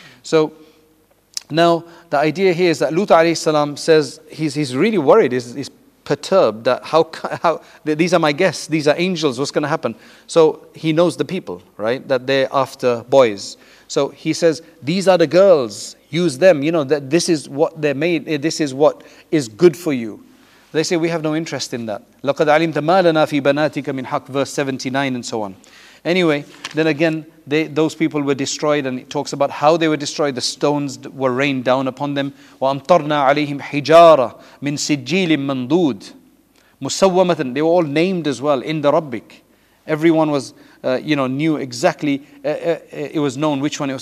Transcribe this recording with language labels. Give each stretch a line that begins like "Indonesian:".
English: So now the idea here is that Lut alayhi salam says he's really worried, he's perturbed that how these are my guests, these are angels, what's going to happen? So he knows the people, right, that they're after boys. So he says, "These are the girls, use them, you know, that this is what they're made, this is what is good for you." They say, "We have no interest in that."
Arabic: لَقَدْ عَلِمْتَ مَا لَنَا فِي بَنَاتِكَ مِنْ حَقٍ,
English: verse 79 and so on. Anyway, then again, those people were destroyed, and it talks about how they were destroyed. The stones were rained down upon them.
Arabic: وَأَمْطَرْنَا عَلَيْهِمْ حِجَارَةً مِنْ سِجِّيلٍ مَنْدُودٍ مُسَوَّمَةً.
English: They were all named as well, in the Rabbik. Everyone was, knew exactly, it was known which one it was.